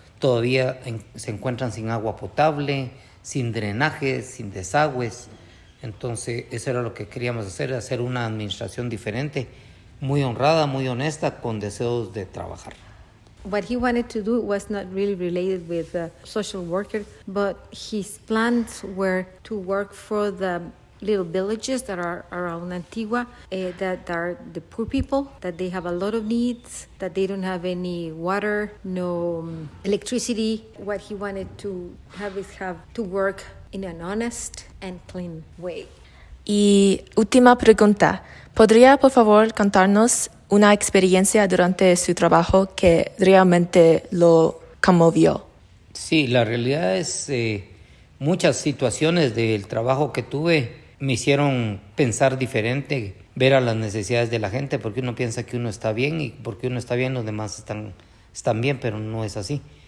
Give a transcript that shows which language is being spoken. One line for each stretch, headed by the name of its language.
Spanish: todavía se encuentran sin agua potable, sin drenajes, sin desagües. Entonces, eso era lo que queríamos hacer, hacer una administración diferente, muy honrada, muy honesta, con deseos de trabajar.
English: What he wanted to do was not really related with a social worker, but his plans were to work for the little villages that are around Antigua, that are the poor people, that they have a lot of needs, that they don't have any water, no electricity. What he wanted to have is have to work in an honest and clean way.
Spanish: Y última pregunta. ¿Podría, por favor, contarnos una experiencia durante su trabajo que realmente lo conmovió? Sí, la realidad es muchas situaciones del trabajo que tuve me hicieron pensar diferente, ver a las necesidades de la gente, porque uno piensa que uno está bien y porque uno está bien los demás están bien, pero no es así.